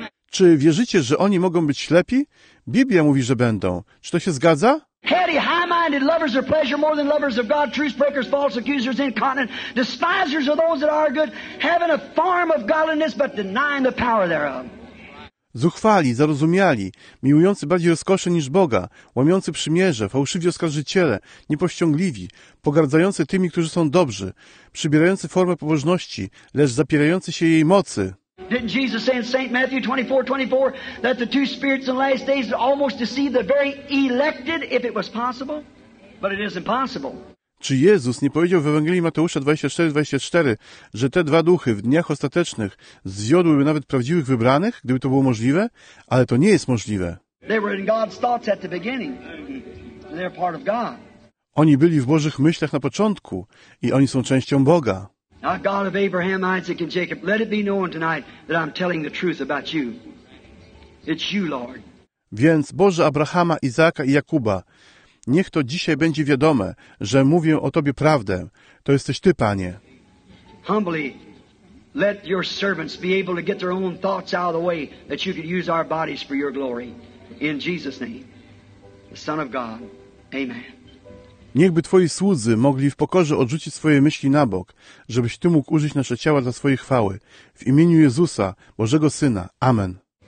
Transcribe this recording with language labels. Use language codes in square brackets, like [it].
[pl] Czy wierzycie, że oni mogą być ślepi? Biblia mówi, że będą. Czy to się zgadza? [en] Heady, high-minded lovers of pleasure more than lovers of God, truth breakers, false accusers, incontinent, despisers of those that are good, having a form of godliness but denying the power thereof. [pl] Zuchwali, zarozumiali, miłujący bardziej rozkoszy niż Boga, łamiący przymierze, fałszywi oskarżyciele, niepowściągliwi, pogardzający tymi, którzy są dobrzy, przybierający formę pobożności, lecz zapierający się jej mocy. [en] Didn't Jesus say in St. Matthew 24:24 that the two spirits in the last days almost deceive the very elected if it was possible? But it is impossible. [pl] Czy Jezus nie powiedział w Ewangelii Mateusza 24:24, że te dwa duchy w dniach ostatecznych zwiodłyby nawet prawdziwych wybranych, gdyby to było możliwe? Ale to nie jest możliwe. [en] They were in God's thoughts at the beginning. They're part of God. [pl] Oni byli w Bożych myślach na początku i oni są częścią Boga. [en] Now, God of Abraham, Isaac, and Jacob, let it be known tonight that I'm telling the truth about you. It's you, Lord. [pl] Więc Boże Abrahama, Izaaka i Jakuba, niech to dzisiaj będzie wiadome, że mówię o Tobie prawdę. To jesteś Ty, Panie. [en] Humbly, let your servants be able to get their own thoughts out of the way that you could use our bodies for your glory. In Jesus' name, the Son of God, amen. [pl] Niechby Twoi słudzy mogli w pokorze odrzucić swoje myśli na bok, żebyś Ty mógł użyć nasze ciała dla swojej chwały. W imieniu Jezusa, Bożego Syna. Amen.